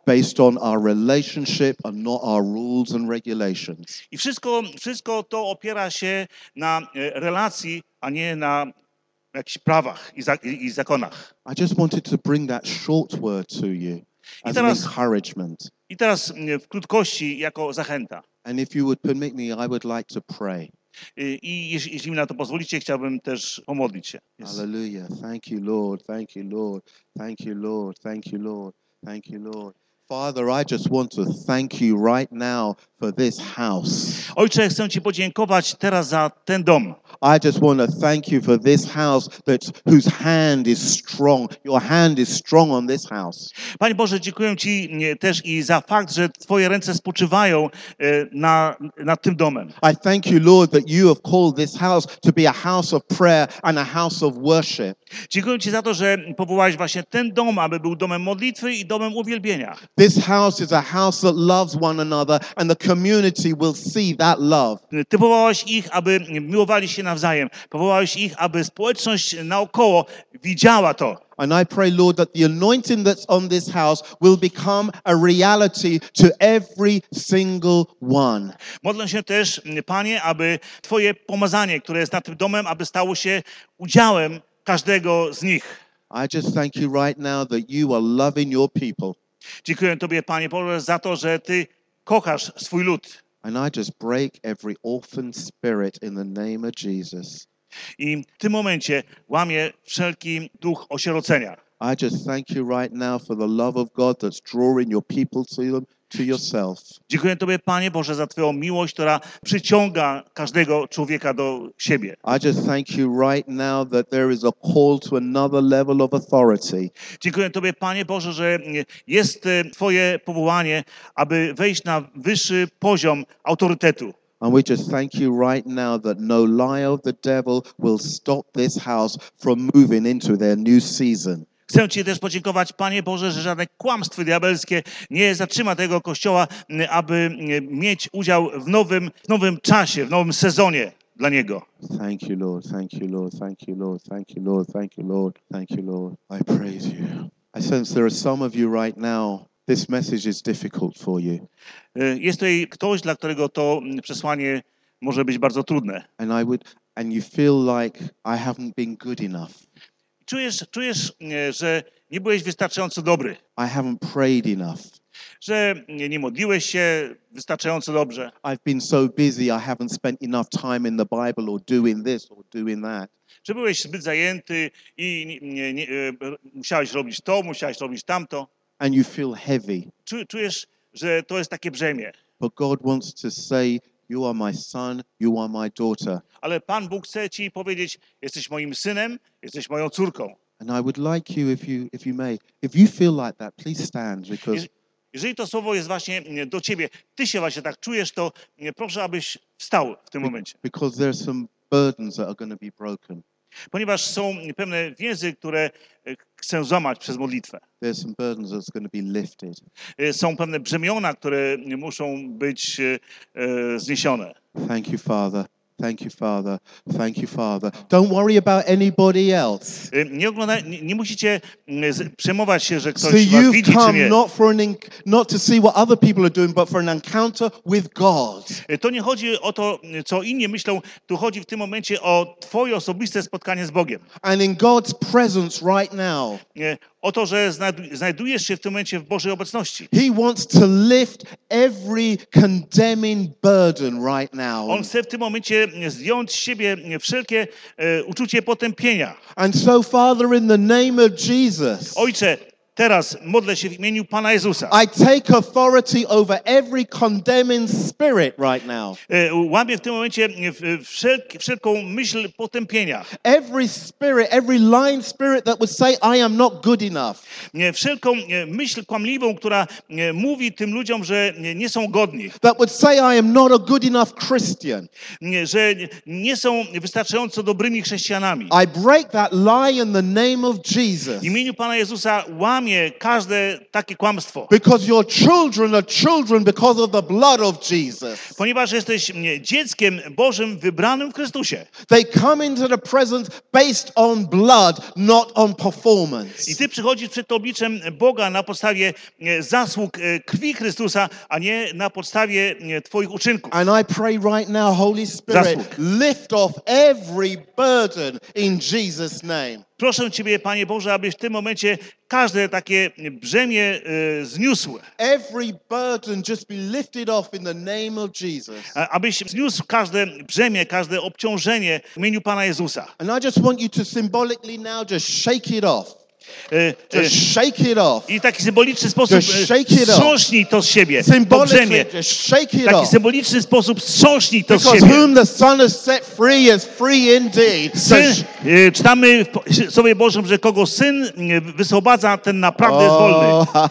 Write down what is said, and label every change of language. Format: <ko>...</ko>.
<en>Based on our relationship and not our rules and regulations.</en> <pl>I wszystko to opiera się na relacji, a nie na jakichś prawach i zakonach.</pl> <en>I just wanted to bring that short word to you as an encouragement.</en> <pl>I teraz w krótkości jako zachęta.</pl> <en>And if you would permit me, I would like to pray.</en> <pl>I jeśli mi na to pozwolicie, chciałbym też pomodlić się.</pl> <en>Yes. Hallelujah. Thank you, Lord. Thank you, Lord. Thank you, Lord. Thank you, Lord. Thank you, Lord. Father, I just want to thank you right now for this house.</en> <pl>Ojcze, chcę ci podziękować teraz za ten dom.</pl> <en>I just want to thank you for this house that whose hand is strong. Your hand is strong on this house.</en> <pl>Panie Boże, dziękuję ci też i za fakt, że twoje ręce spoczywają na tym domem.</pl> <en>I thank you, Lord, that you have called this house to be a house of prayer and a house of worship.</en> <pl>Dziękuję ci za to, że powołałeś właśnie ten dom, aby był domem modlitwy i domem uwielbienia.</pl> <en>This house is a house that loves one another and the community will see that love.</en> <pl>Ty powołałeś ich, aby miłowali się nawzajem. Powołałeś ich, aby społeczność naokoło widziała to.</pl> <en>And I pray, Lord, that the anointing that's on this house will become a reality to every single one.</en> <pl>Modlę się też, Panie, aby Twoje pomazanie, które jest nad tym domem, aby stało się udziałem każdego z nich.</pl> <en>I just thank you right now that you are loving your people.</en> <pl>Dziękuję Tobie, Panie Boże, za to, że Ty kochasz swój lud.</pl> <en>And I just break every orphan spirit in the name of Jesus.</en> <pl>I w tym momencie łamię wszelki duch osierocenia.</pl> <en>I just thank you right now for the love of God that's drawing your people to them, to yourself.</en> <pl>Dziękuję Tobie, Panie Boże, za Twoją miłość, która przyciąga każdego człowieka do siebie.</pl> <en>I just thank you right now that there is a call to another level of authority.</en> <pl>Dziękuję Tobie, Panie Boże, że jest Twoje powołanie, aby wejść na wyższy poziom autorytetu.</pl> <en>And we just thank you right now that no lie of the devil will stop this house from moving into their new season.</en> <pl>Chcę Ci też podziękować, Panie Boże, że żadne kłamstwo diabelskie nie zatrzyma tego Kościoła, aby mieć udział w nowym czasie, w nowym sezonie dla Niego.</pl> <en>Thank you, Lord. Thank you, Lord. Thank you, Lord. Thank you, Lord. Thank you, Lord. Thank you, Lord. I praise you. I sense there are some of you right now, this message is difficult for you.</en> <pl>Jest tutaj ktoś, dla którego to przesłanie może być bardzo trudne.</pl> <en>And I would, and you feel like I haven't been good enough.</en> <pl>Czujesz, że nie byłeś wystarczająco dobry.</pl> <en>I haven't prayed enough.</en> <pl>Że nie modliłeś się wystarczająco dobrze.</pl> <en>I've been so busy, I haven't spent enough time in the Bible or doing this or doing that.</en> <pl>Że byłeś zbyt zajęty i musiałeś robić to, musiałeś robić tamto.</pl> <en>And you feel heavy.</en> <pl>Czujesz, że to jest takie brzemię.</pl> <en>But God wants to say, you are my son, you are my daughter.</en> <pl>Ale Pan Bóg chce ci powiedzieć, jesteś moim synem, jesteś moją córką.</pl> <en>And I would like you, if you may, if you feel like that, please stand, because...</en> <pl>Jeżeli to słowo jest właśnie do ciebie, ty się właśnie tak czujesz, to proszę, abyś wstał w tym momencie.</pl> <en>Because there are some burdens that are going to be broken.</en> <pl>Ponieważ są pewne więzy, które chcę złamać przez modlitwę.</pl> <en>There are some burdens that's going to be lifted.</en> <pl>Są pewne brzemiona, które muszą być zniesione.</pl> <en>Thank you, Father. Thank you, Father. Thank you, Father. Don't worry about anybody else.</en> <pl>Nie musicie przejmować się, że ktoś was widzi, czy nie.</pl> <en>You've come not for an not to see what other people are doing, but for an encounter with God.</en> <pl>To nie chodzi o to, co inni myślą. Tu chodzi w tym momencie o twoje osobiste spotkanie z Bogiem.</pl> <en>And in God's presence right now.</en> <pl>O to, że znajdujesz się w tym momencie w Bożej obecności.</pl> <en>He wants to lift every condemning burden right now.</en> <pl>On chce w tym momencie zdjąć z siebie wszelkie uczucie potępienia.</pl> <en>And so, Father, in the name of Jesus.</en> <pl>Ojcze, teraz modlę się w imieniu Pana Jezusa.</pl> <en>I take authority over every condemning spirit right now.</en> <pl>Łamię w tym momencie wszelką myśl potępienia.</pl> <en>Every spirit, every lying spirit that would say I am not good enough.</en> <pl>Wszelką myśl kłamliwą, która mówi tym ludziom, że nie są godni.</pl> <en>That would say I am not a good enough Christian.</en> <pl>Że nie są wystarczająco dobrymi chrześcijanami.</pl> <en>I break that lie in the name of Jesus.</en> <pl>W imieniu Pana Jezusa łamie każde takie kłamstwo.</pl> <en>Because your children are children because of the blood of Jesus.</en> <pl>Ponieważ jesteś dzieckiem Bożym wybranym w Chrystusie.</pl> <en>They come into the presence based on blood, not on performance.</en> <pl>I ty przychodzisz przed obliczem Boga na podstawie zasług krwi Chrystusa, a nie na podstawie twoich uczynków.</pl> <en>And I pray right now, Holy Spirit, lift off every burden in Jesus' name.</en> <pl>Proszę Ciebie, Panie Boże, abyś w tym momencie każde takie brzemię zniósł.</pl> <en>Every burden just be lifted off in the name of Jesus.</en> <pl>Abyś zniósł każde brzemię, każde obciążenie w imieniu Pana Jezusa.</pl> <en>And I just want you to symbolically now just shake it off. Shake it off.</en> <pl>I taki symboliczny sposób strząśnij to z siebie. Symbolicznie.</pl> <en>Shake it off.</en> <pl>Taki symboliczny sposób strząśnij to z siebie.</pl> <en>Because whom the Son has set free is free indeed.</en> <pl>Czytamy w Słowie Bożym, że kogo Syn wysłobadza, ten naprawdę jest wolny.</pl>